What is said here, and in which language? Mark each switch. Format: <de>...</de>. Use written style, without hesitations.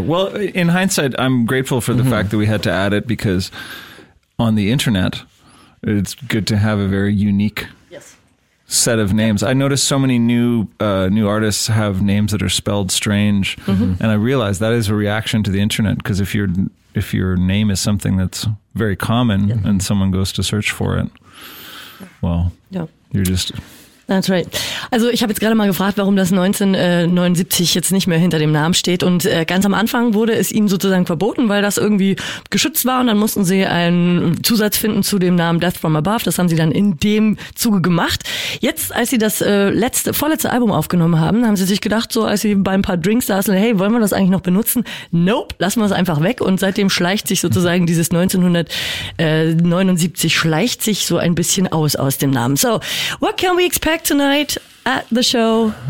<en>Well, in hindsight, I'm grateful for the fact that we had to add it, because on the internet it's good to have a very unique set of names. I noticed so many new artists have names that are spelled strange, and I realized that is a reaction to the internet, because if your name is something that's very common and someone goes to search for it, well, you're just... That's right.</en> <de>Also ich habe jetzt gerade mal gefragt, warum das 1979 jetzt nicht mehr hinter dem Namen steht. Und ganz am Anfang wurde es ihnen sozusagen verboten, weil das irgendwie geschützt war. Und dann mussten sie einen Zusatz finden zu dem Namen Death From Above. Das haben sie dann in dem Zuge gemacht. Jetzt, als sie das vorletzte Album aufgenommen haben, haben sie sich gedacht, so als sie bei ein paar Drinks saßen, hey, wollen wir das eigentlich noch benutzen? Nope, lassen wir es einfach weg. Und seitdem schleicht sich sozusagen dieses 1979 schleicht sich so ein bisschen aus dem Namen.</de> <en>So, what can we expect tonight at the show?</en>